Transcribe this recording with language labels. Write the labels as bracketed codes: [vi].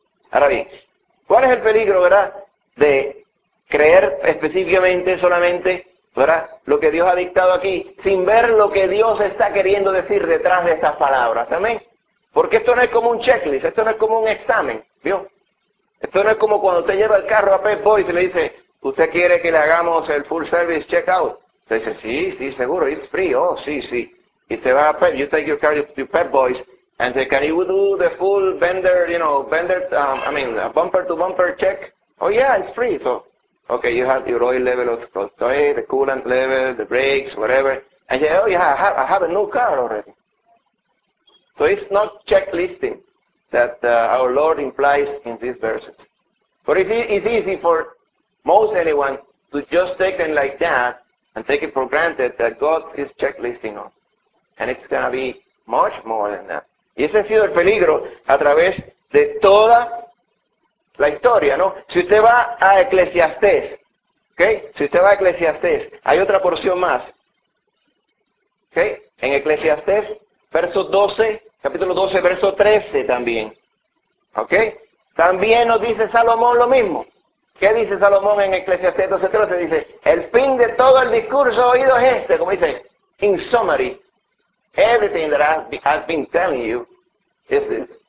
[es] Ahora bien, ¿cuál es el peligro, verdad, de creer específicamente solamente, verdad, lo que Dios ha dictado aquí, sin ver lo que Dios está queriendo decir detrás de estas palabras? ¿Amén? Porque esto no es como un checklist, esto no es como un examen, ¿vio? Esto no es como cuando usted lleva el carro a Pep Boys y le dice, ¿usted quiere que le hagamos el [en] full service checkout? [es] Usted dice, sí, sí, seguro, [en] it's free, [es] oh, sí, sí. Y usted va a Pep, [en] you take your car to Pep Boys, and say, can you do the full vendor, you know, vendor, I mean, a bumper to bumper check? Oh, yeah, it's free. So, okay, you have your oil level, of course, the coolant level, the brakes, whatever. And you say, oh, yeah, I have a new car already. So it's not checklisting that our Lord implies in these verses. But it's easy for most anyone to just take it like that and take it for granted that God is checklisting us. And it's going to be much more than that. [es] Y ese ha sido el peligro a través de toda la historia, ¿no? Si usted va a Eclesiastés, ¿ok? Si usted va a Eclesiastés, hay otra porción más. ¿Ok? En Eclesiastés, verso 12, capítulo 12, verso 13 también. ¿Ok? También nos dice Salomón lo mismo. ¿Qué dice Salomón en Eclesiastés 12, 13? Dice, el fin de todo el discurso oído es este, como dice, [en] in summary. Everything that I've been telling you is this.